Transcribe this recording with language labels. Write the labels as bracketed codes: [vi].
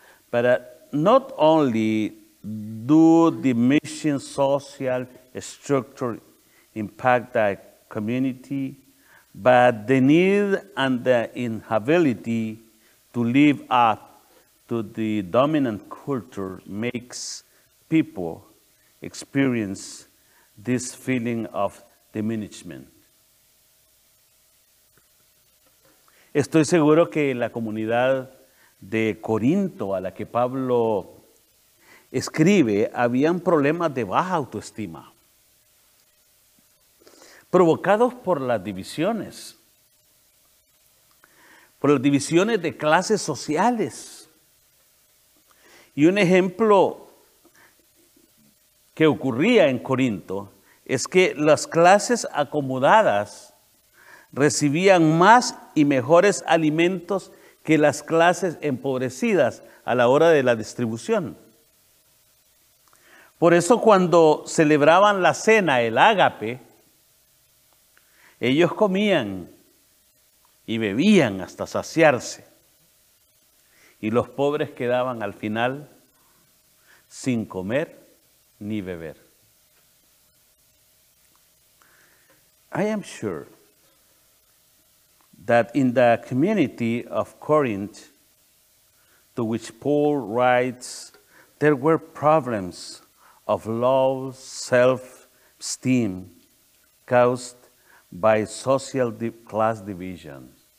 [en] But not only do the mission social structure impact the community, but the need and the inability to live up to the dominant culture makes people experience this feeling of diminishment. [es] Estoy seguro que la comunidad de Corinto a la que Pablo escribe habían problemas de baja autoestima provocados por las divisiones, de clases sociales. Y un ejemplo que ocurría en Corinto es que las clases acomodadas recibían más y mejores alimentos que las clases empobrecidas a la hora de la distribución. Por eso cuando celebraban la cena, el ágape, ellos comían y bebían hasta saciarse. Y los pobres quedaban al final sin comer ni beber. [en] I am sure that in the community of Corinth, to which Paul writes, there were problems of low self-esteem caused by social class division.